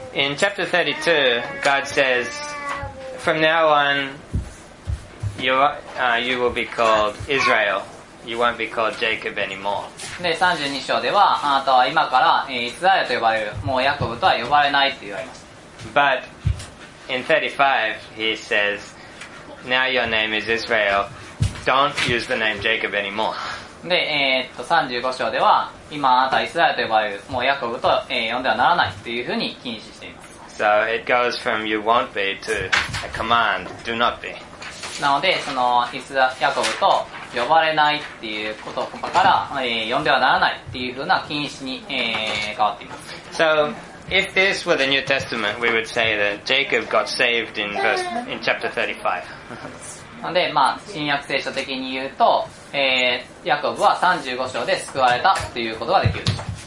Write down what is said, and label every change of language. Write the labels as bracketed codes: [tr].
[en] In chapter 32, God says, From now on, you will be called Israel. You won't be called Jacob anymore. [ja] で、32章では、あなたは今から、イスラエルと呼ばれる、もうヤコブとは呼ばれないと言われます。 [en] But in 35, he says, Now your name is Israel. Don't use the name Jacob anymore. [ja] で、35章では、今あなたイスラエルと呼ばれる、もうヤコブと、呼んではならないというふうに禁止しています。 [en] So it goes from you won't be to a command, do not be. [ja] なので、そのイスラヤコブと呼ばれないっていうことから、呼んではならないっていうふうな禁止に、変わっています。 [en] So if this were the New Testament, we would say that Jacob got saved in chapter 35. [ja] なんで、まあ、新約聖書的に言うと、ヤコブは35章で救われたということができるでしょう。